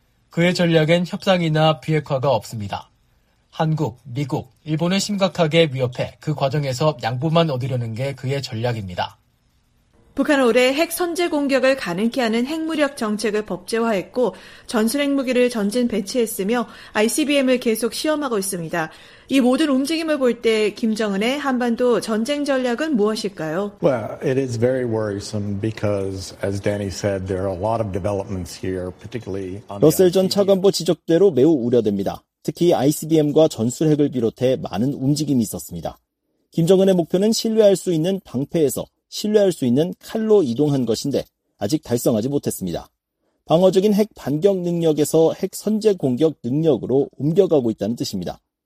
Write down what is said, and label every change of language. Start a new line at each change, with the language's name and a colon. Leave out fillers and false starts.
Korean: 그의 전략엔 협상이나 비핵화가 없습니다. 한국, 미국, 일본을 심각하게 위협해 그 과정에서 양보만 얻으려는 게 그의 전략입니다. 북한은 올해 핵 선제 공격을 가능케 하는 핵무력 정책을 법제화했고 전술 핵무기를 전진 배치했으며 ICBM을 계속 시험하고 있습니다. 이 모든 움직임을 볼 때 김정은의 한반도 전쟁 전략은 무엇일까요?
English: Well, it is very worrisome because as Danny said there are a lot of developments here particularly on
Korean: 러셀 전 차관보 지적대로 매우 우려됩니다. 특히 ICBM과 전술핵을 비롯해 많은 움직임이 있었습니다. 김정은의 목표는 신뢰할 수 있는 방패에서 신뢰할 수 있는 칼로 이동한 것인데 아직 달성하지 못했습니다. 방어적인 핵 반격 능력에서 핵 선제 공격 능력으로 옮겨가고 있다는 뜻입니다.